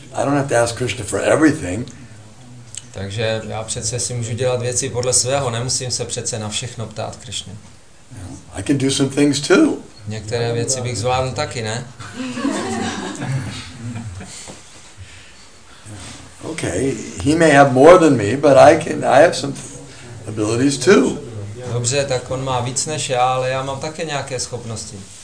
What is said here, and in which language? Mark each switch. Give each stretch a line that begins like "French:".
English: I don't have to ask Krishna for everything.
Czech: Takže já přece si můžu dělat věci podle svého, nemusím se přece na všechno ptát Krishna.
English: Yeah. I can do some things too.
Czech: Některé věci bych zvládl taky, ne?
English: Okay, he may have more than me, but I have some abilities too.
Czech: Dobře, tak on má víc než já, ale já mám také nějaké schopnosti.